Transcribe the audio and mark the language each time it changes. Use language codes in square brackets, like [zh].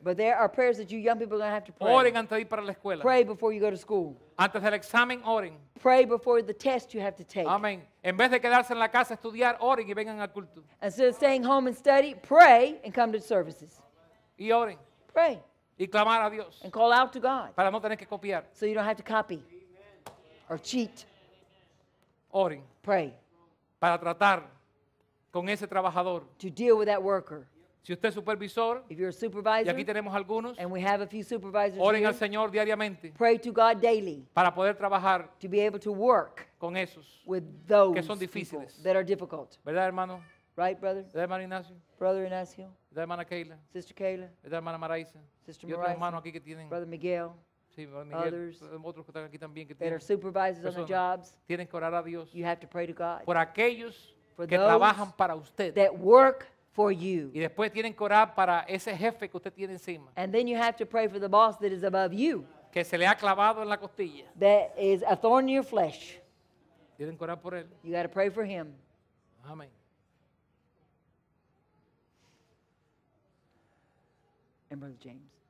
[en] But there are prayers that you young people are going to have to pray. [es] Oren antes de ir para la escuela. [en] Pray before you go to school. [es] Antes del examen, oren. [en] Pray before the test you have to take. [es] Amén. En vez de quedarse en la casa a estudiar, oren y vengan al culto. [en] Instead of staying home and study, pray and come to services. [es] Y oren. [en] Pray. [es] Y clamar a Dios. [en] And call out to God. [es] Para no tener que copiar. [en] So you don't have to copy. Or cheat. [es] Oren. [en] Pray. [es] Para tratar con ese trabajador. [en] To deal with that worker. [es] Si usted es supervisor. [en] If you're a supervisor. [es] Y aquí tenemos algunos. [en] And we have a few supervisors [es] oren [en] here. [es] Oren al Señor diariamente. [en] Pray to God daily. [es] Para poder trabajar. [en] To be able to work. [es] Con esos. [en] With those [es] que son difíciles. [en] People that are difficult. [es] ¿Verdad, hermano? [en] Right, brother? [es] ¿Verdad, hermano Ignacio? [en] Brother Ignacio. [es] ¿Verdad, hermana Kayla? [en] Sister Kayla. [es] ¿Verdad, hermana Maraisa? [en] Sister Maraisa. [es] Y otros hermanos aquí que tienen. [en] Brother Miguel. Sí, brother Miguel. Others. [es] Otros que están aquí también que [en] that [es] tienen. [en] Are supervisors on the jobs. [es] Tienen que orar a Dios. [en] You have to pray to God. [es] Por aquellos que trabajan para usted. [en] That work for you. [es] Y después tienen que orar para ese jefe que usted tiene encima. [en] And then you have to pray for the boss that is above you. [es] Que se le ha clavado en la costilla. [en] That is a thorn in your flesh. [es] Tienen que orar por él. [en] You got to pray for him. [es] Amén. [en] And Brother James.